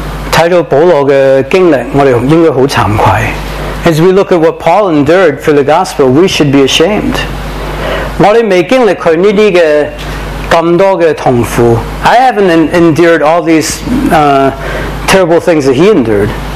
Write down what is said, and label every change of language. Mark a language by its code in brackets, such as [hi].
[zh] 看到保罗的经历，我们应该很惭愧。 [en] As we look at what Paul endured for the gospel, we should be ashamed. [zh] 我们没经历他这些这么多的痛苦。 [en] I haven't endured all these terrible things that he endured.